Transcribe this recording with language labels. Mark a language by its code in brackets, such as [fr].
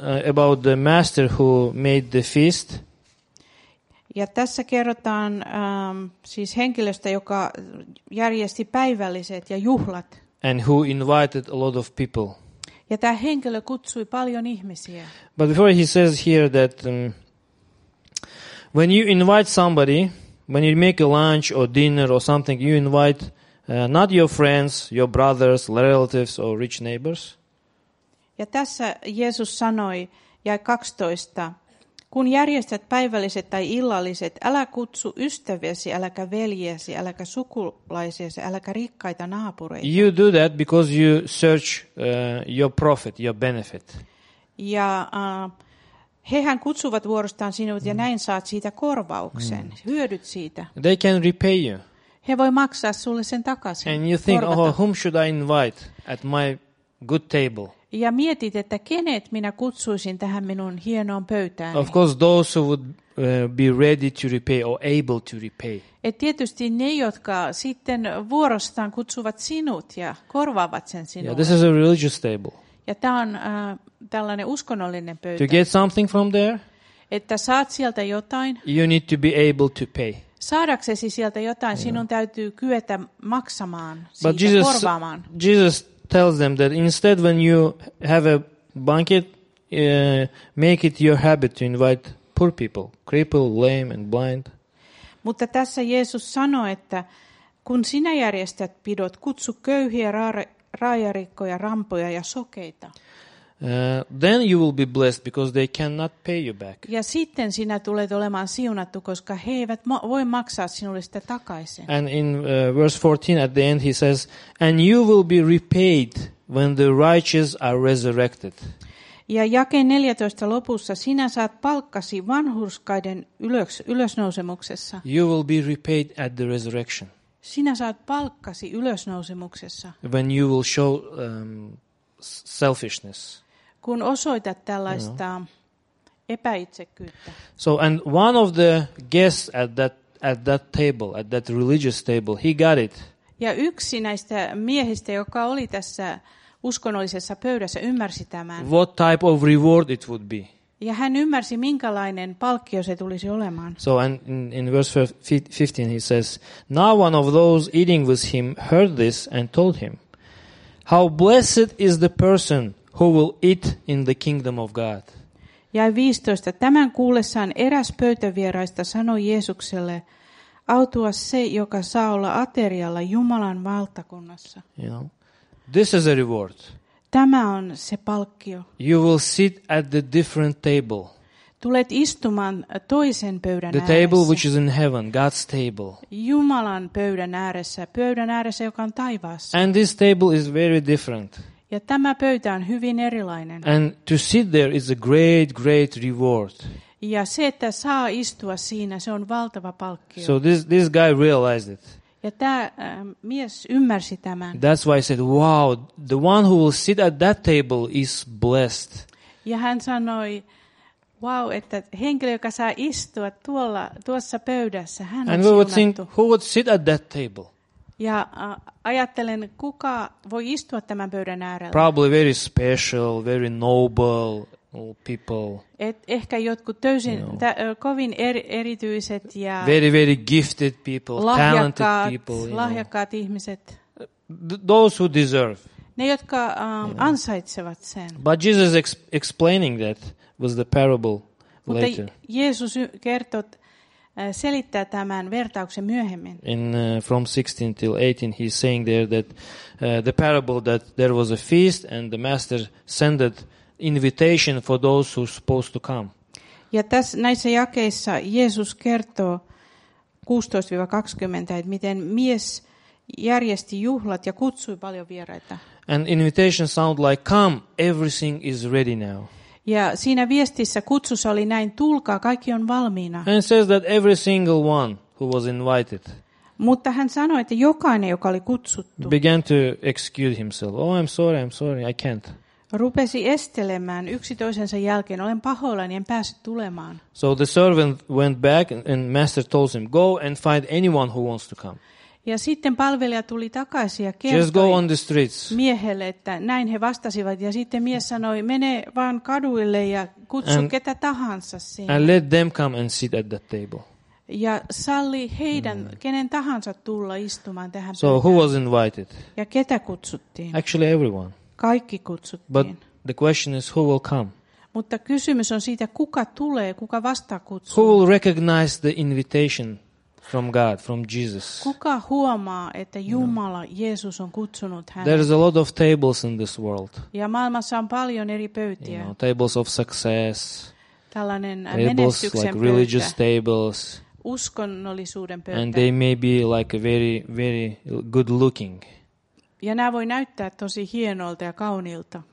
[en] About the master who made the feast. [fi] Ja tässä kerrotaan siis henkilöstä, joka järjesti päivälliset ja juhlat. [en] And who invited a lot of people. [fi] Ja tämä henkilö kutsui paljon ihmisiä. [en] But before he says here that when you invite somebody, when you make a lunch or dinner or something, you invite not your friends, your brothers, relatives or rich neighbors. [fi] Ja tässä Jeesus sanoi, jae 12, kun järjestät päivälliset tai illalliset, älä kutsu ystäviäsi, äläkä veljesi, äläkä sukulaisiasi, äläkä rikkaita naapureita. [en] You do that because you search your profit, your benefit. [fi] Ja hehän kutsuvat vuorostaan sinut ja näin saat siitä korvauksen, hyödyt siitä. [en] They can repay you. [fi] He voi maksaa sulle sen takaisin. [en] And you think, [fi] korvata. [en] Oh, whom should I invite at my good table? [fi] Ja mietit, että kenet minä kutsuisin tähän minun hienoon pöytään. [en] Of course, those who would be ready to repay or able to repay. [fi] Et tietysti ne, jotka sitten vuorostaan kutsuvat sinut ja korvaavat sen sinulle. [en] Yeah, this is a religious table. [fi] Ja tämä on tällainen uskonnollinen pöytä. [en] To get something from there, [fi] että saat sieltä jotain. [en] You need to be able to pay. [fi] Saadaksesi sieltä jotain, sinun täytyy kyetä maksamaan, korvaamaan. [en] Jesus tells them that instead when you have a banquet, make it your habit to invite poor people, crippled, lame and blind. [fi] Mutta tässä Jeesus sanoi, että kun sinä järjestät pidot, kutsu köyhiä, raajarikkoja, rampoja ja sokeita. [en] Then you will be blessed because they cannot pay you back. [fi] Ja sitten sinä tulet olemaan siunattu, koska he eivät voi maksaa sinulle sitä takaisin. [en] And in verse 14 at the end he says, and you will be repaid when the righteous are resurrected. [fi] Ja jake 14 lopussa sinä saat palkkasi vanhurskaiden ylösnousemuksessa. [en] You will be repaid at the resurrection. [fi] Sinä saat palkkasi ylösnousemuksessa. [en] When you will show selfishness. [fi] Kun osoitat tällaista epäitsekkyyttä. [en] So and one of the guests at that table, at that religious table, he got it. [fi] Ja yksi näistä miehistä, joka oli tässä uskonnollisessa pöydässä, ymmärsi tämän. [en] What type of reward it would be? [fi] Ja hän ymmärsi, minkälainen palkkio se tulisi olemaan. [en] So and in verse 15 he says, now one of those eating with him heard this and told him, how blessed is the person who will eat in the kingdom of God. [fi] Ja 15. Tämän kuullessaan eräs pöytävieraista sanoi Jeesukselle, autua se, joka saa olla aterialla Jumalan valtakunnassa. [en] You know, this is a reward. [fi] Tämä on se palkkio. [en] You will sit at the different table. [fi] Tulet istumaan toisen pöydän [en] the [fi] ääressä. [en] The table which is in heaven, God's table. [fi] Jumalan pöydän ääressä, joka on taivaassa. [en] And this table is very different. [fi] Ja tämä pöytä on hyvin erilainen. [en] And to sit there is a great, great reward. [fi] Ja se, että saa istua siinä, se on valtava palkkio. [en] So this guy realized it. [fi] Ja tämä mies ymmärsi tämän. [en] That's why I said, wow, the one who will sit at that table is blessed. [fi] Ja hän sanoi, wow, että henkilö, joka saa istua tuossa pöydässä, hän on siunattu. [en] And we would think, who would sit at that table? [fi] Ja ajattelen, kuka voi istua tämän pöydän äärellä? [en] Probably very special, very noble people. [fi] Et ehkä jotkut täysin kovin erityiset ja [en] very, very gifted people, [fi] lahjakkaat, [en] talented people, [fi] lahjakkaat ihmiset. [en] Those who deserve. [fi] Ne, jotka ansaitsevat sen. [en] But Jesus explaining that was the parable later. [fi] Mutta Jeesus kertoo, selittää tämän vertauksen myöhemmin. [en] In from 16 till 18 he's saying there that the parable that there was a feast and the master sent an invitation for those who were supposed to come. [fi] Ja tässä näissä jakeissa Jeesus kertoo 16-20, että miten mies järjesti juhlat ja kutsui paljon vieraita. [en] And invitation sound like, come, everything is ready now. [fi] Ja siinä viestissä kutsussa oli näin, tulkaa, kaikki on valmiina. [en] And says that every single one who was invited. [fi] Mutta hän sanoi, että jokainen, joka oli kutsuttu. [en] Began to excuse himself. Oh, I'm sorry, I can't. [fi] Rupesi estelemään yksi toisensa jälkeen, olen pahoillani, en pääse tulemaan. [en] So the servant went back and master told him, go and find anyone who wants to come. [fi] Ja sitten palvelija tuli takaisin ja kertoi miehelle, että näin he vastasivat. Ja sitten mies sanoi, mene vaan kaduille ja kutsu ketä tahansa sinne. [en] And let them come and sit at that table. [fi] Ja salli heidän, kenen tahansa tulla istumaan tähän pöytään. [en] So who was invited? [fi] Ja ketä kutsuttiin? [en] Actually everyone. [fi] Kaikki kutsuttiin. [en] But the question is, who will come? [fi] Mutta kysymys on siitä, kuka tulee, kuka vastaa kutsuun. [en] Who will recognize the invitation? From God, from Jesus. [fi] Kuka huomaa, että Jumala, Jeesus on kutsunut hänet? [en] There is a lot of tables in this world. [fi] Ja maailmassa on paljon eri pöytiä. [en] You know, tables of success. [fi] Tällainen menestyksen pöytä. [en] Tables like religious tables. [fi] Uskonnollisuuden pöytä. [en] And they may be like very, very good looking. [fi] Ja nämä voi näyttää tosi hienolta ja kaunilta.